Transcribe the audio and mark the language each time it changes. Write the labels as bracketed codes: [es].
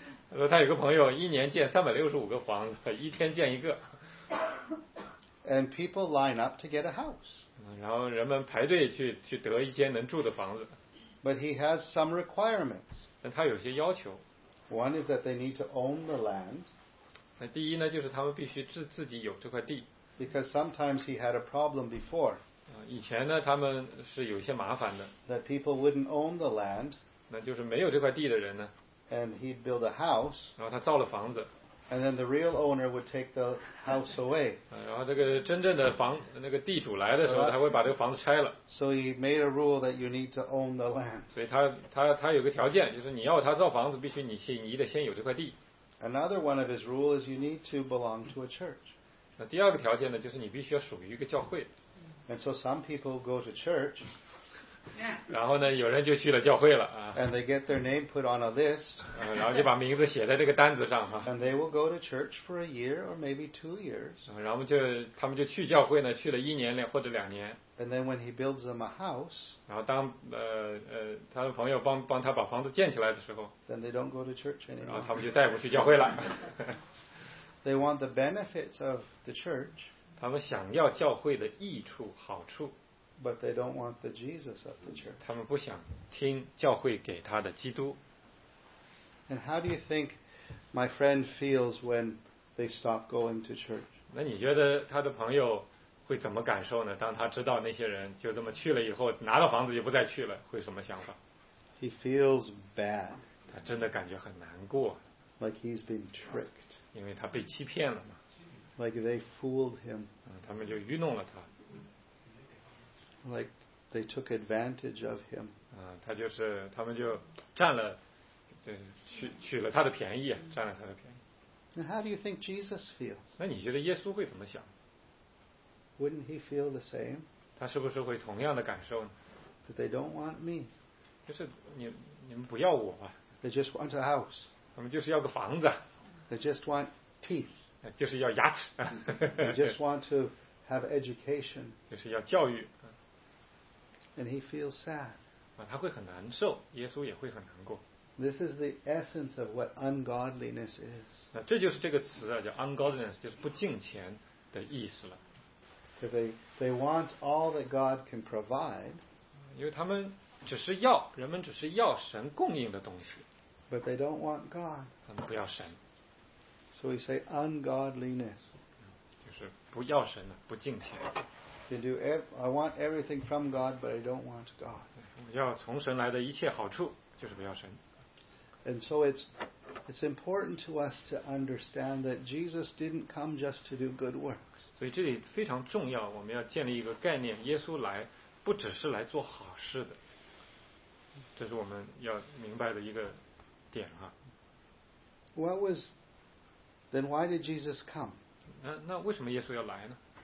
[zh] 他说他有个朋友，一年建365个房子，一天建一个。 [en] And people line up to get a house. [zh] 然后人们排队去得一间能住的房子。 [en] But he has some requirements. [zh] 但他有些要求。 [en] One is that they need to own the land. [zh] 那第一呢，就是他们必须自己有这块地。 [en] Because sometimes he had a problem before. [zh] 以前呢，他们是有些麻烦的。 [en] That people wouldn't own the land. [zh] 那就是没有这块地的人呢。 [en] And he'd build a house. [zh] 然后他造了房子。 [en] And then the real owner would take the house away. [zh] 然后这个真正的房那个地主来的时候，他会把这个房子拆了。 [en] So he made a rule that you need to own the land. [zh] 所以他有个条件，就是你要他造房子，必须你得先有这块地。 [en] Another one of his rules is you need to belong to a church. [zh] 那第二个条件呢，就是你必须要属于一个教会。 [en] And so some people go to church. [zh] 然后呢，有人就去了教会了啊。 [en] And they get their name put on a list. [zh] 然后就把名字写在这个单子上哈。 [en] And they will go to church for a year or maybe 2 years. [zh] 然后他们就去教会呢，去了一年或者两年。 [en] And then when he builds them a house. [zh] 然后当他的朋友帮他把房子建起来的时候。 [en] Then they don't go to church anymore. [zh] 然后他们就再也不去教会了。 [en] They want the benefits of the church. [zh] 他们想要教会的益处好处。 [en] But they don't want the Jesus of the church. [zh] 他们不想听教会给他的基督。 [en] And how do you think my friend feels when they stop going to church? [zh] 那你觉得他的朋友会怎么感受呢？当他知道那些人就这么去了以后，拿到房子就不再去了，会什么想法？ [en] He feels bad. [zh] 他真的感觉很难过。 [en] Like he's been tricked. [zh] 因为他被欺骗了嘛。 [en] Like they fooled him. [zh] 他们就愚弄了他。 [en] Like they took advantage of him. [zh] 他们就占了，取了他的便宜，占了他的便宜。 [en] And how do you think Jesus feels? [zh] 那你觉得耶稣会怎么想？ [en] Wouldn't he feel the same? [zh] 他是不是会同样的感受呢？ [en] That they don't want me. [zh] 就是你们不要我吧。 [en] They just want a house. [zh] 他们就是要个房子。 [en] They just want teeth. [zh] 就是要牙齿。 [en] They just want to have education. [zh] 就是要教育。 [en] And he feels sad. [zh] 他会很难受，耶稣也会很难过。 [en] This is the essence of what ungodliness is. [zh] 这就是这个词啊，叫 ungodliness， 就是不敬虔的意思了。 [en] They want all that God can provide. [zh] 因为他们只是要，人们只是要神供应的东西。 [en] But they don't want God. [zh] 他们不要神。 [en] So we say ungodliness. [zh] 就是不要神的，不敬虔。 [en] I want everything from God, but I don't want God. [zh] 要从神来的一切好处，就是不要神。 [en] And so it's important to us to understand that Jesus didn't come just to do good works. [zh] 所以这里非常重要，我们要建立一个概念：耶稣来不只是来做好事的。这是我们要明白的一个点哈。 [en] Then why did Jesus come? [zh] 那为什么耶稣要来呢？